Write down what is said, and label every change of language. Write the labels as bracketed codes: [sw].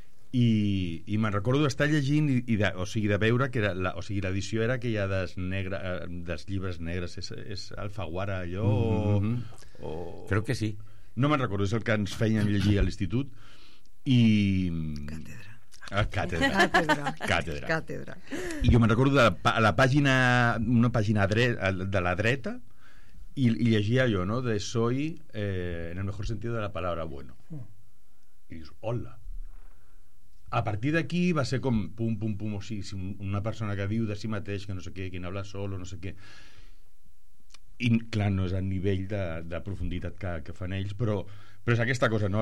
[ca] I me'n recordo d'estar llegint de veure que era l'edició era que hi ha dels llibres negres, és Alfaguara allò, Crec que sí. No me'n recordo, és el que ens feien llegir a l'institut i... Càtedra. I jo me'n recordo de la pàgina, una pàgina de la dreta, i llegia jo, no? [es] De soy, en el mejor sentido de la palabra, bueno. [ca] I dius, hola. A partir d'aquí va ser com pum, pum, pum, o sigui, una persona que diu de si mateix, que no sé què, que [es] no habla solo, [ca] no sé què. I clar, no és el nivell de profunditat que fan ells, però és aquesta cosa, no?